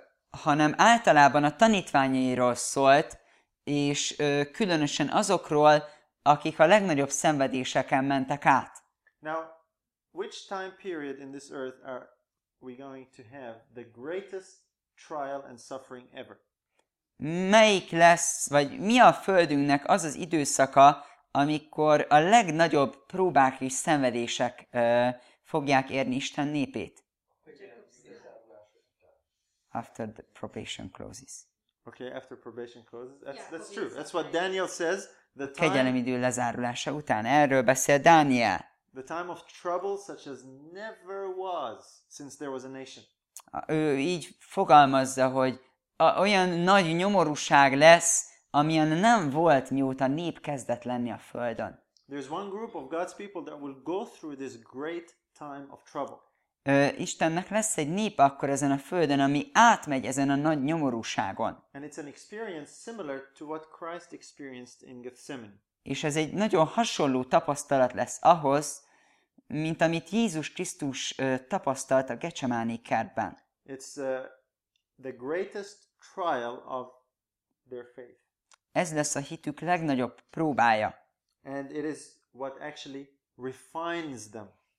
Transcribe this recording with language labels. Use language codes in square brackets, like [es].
[hu] Hanem általában a tanítványairól szólt, és különösen azokról, akik a legnagyobb szenvedéseken mentek át. [en] Now, which time period in this earth are we going to have the greatest trial and suffering ever? [hu] Melyik lesz, vagy mi a földünknek az az időszaka, amikor a legnagyobb próbák és szenvedések fogják érni Isten népét? [en] After the probation closes. Okay, after probation closes. That's true. That's what Daniel says. The time, [hu] kegyelem idő lezárulása után. Erről beszél Dániel. [en] The time of trouble such as never was since there was a nation. [hu] Ő így fogalmazza, hogy olyan nagy nyomorúság lesz, amilyen nem volt, mióta nép kezdett lenni a földön. [en] There's one group of God's people that will go through this great time of trouble. [hu] Istennek lesz egy nép akkor ezen a földön, ami átmegy ezen a nagy nyomorúságon. [en] And it's an experience similar to what Christ experienced in Gethsemane. [hu] És ez egy nagyon hasonló tapasztalat lesz ahhoz, mint amit Jézus Krisztus tapasztalt a Getsemáné kertben. [en] It's the greatest trial of their faith. [hu] Ez lesz a hitük legnagyobb próbája. [en] And it is what actually refines them.